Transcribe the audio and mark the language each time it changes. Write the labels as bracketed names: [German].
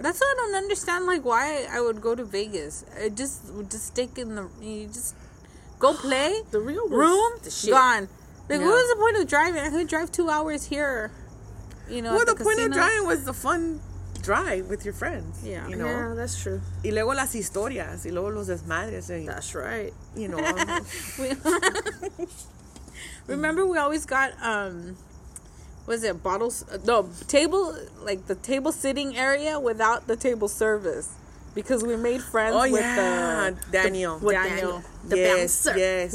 [English] That's why I don't understand, like, why I would go to Vegas. I just stick in the, you just go play. The Rio was room, the shit. Gone. Like, yeah. What was the point of driving? I could drive 2 hours here, you know. Well, the point of driving was the fun drive with your friends. Yeah. You know? Yeah, that's true. [Spanish] Y luego las historias, y luego los desmadres. Y, [English] that's right. You know. Remember, we always got, the table sitting area without the table service, because we made friends with Daniel. The bouncer. Yes.